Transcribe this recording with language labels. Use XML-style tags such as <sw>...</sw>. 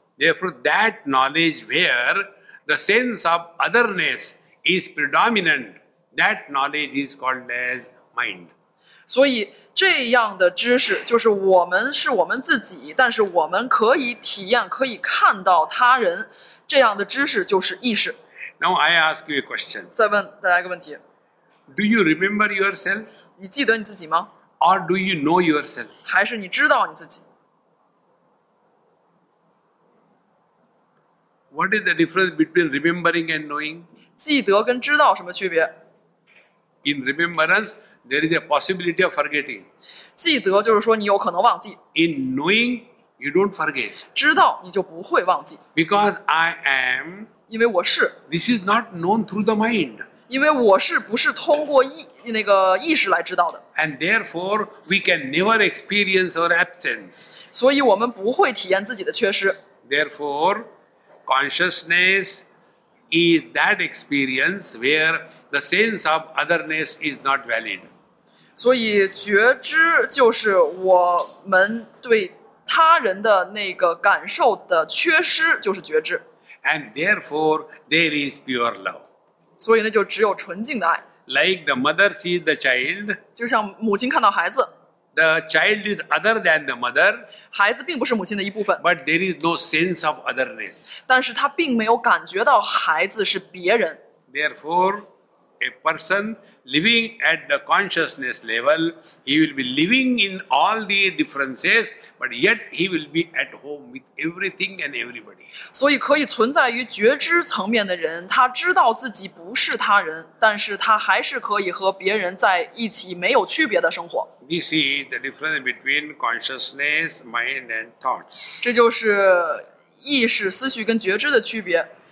<en>Therefore, that knowledge where the sense of otherness is predominant, that knowledge is called as mind.</en> <zh>所以这样的知识就是我们是我们自己，但是我们可以体验，可以看到他人。这样的知识就是意识。</zh> <en>Now I ask you a question.</en> <zh>再问大家一个问题。</zh> <en>Do you remember yourself?</en> <zh>你记得你自己吗？</zh> <en>Or do you know yourself?</en> <zh>还是你知道你自己？</zh> <en>What is the difference between remembering and knowing?</en> <zh>记得跟知道什么区别？</zh> <en>In remembrance, there is a possibility of forgetting.</en> <zh>记得就是说你有可能忘记。</zh> <en>In knowing,You don't forget.</en> <zh>知道你就不会忘记。</zh> <en>Because I am.</en> <zh>因为我是。</zh> <en>This is not known through the mind.</en> <zh>因为我是不是通过那个意识来知道的。</zh> <en>And therefore, we can never experience our absence.</en> <zh>所以我们不会体验自己的缺失。</zh> <en>Therefore, consciousness is that experience where the sense of otherness is not valid.</en> <zh>所以觉知就是我们对他人的那个感受的缺失就是觉知。</zh> <en>And therefore, there is pure love.</en> <zh>所以呢，就只有纯净的爱。</zh> <en>Like the mother sees the child.</en> <zh>就像母亲看到孩子。</zh> <en>The child is other than the mother.</en> <zh>孩子并不是母亲的一部分。</zh> <en>But there is no sense of otherness.</en> <zh>但是他并没有感觉到孩子是别人。</zh> <en>Therefore, a person living at the consciousness level, he will be living in all the differences. But yet he will be at home with everything and everybody.</en> <zh>所以可以存在于觉知层面的人，他知道自己不是他人，但是他还是可以和别人在一起，没有区别的生活。</zh> <en>This is the difference between consciousness, mind, and thoughts.</en> <zh>这就是意识、思绪跟觉知的区别。</zh>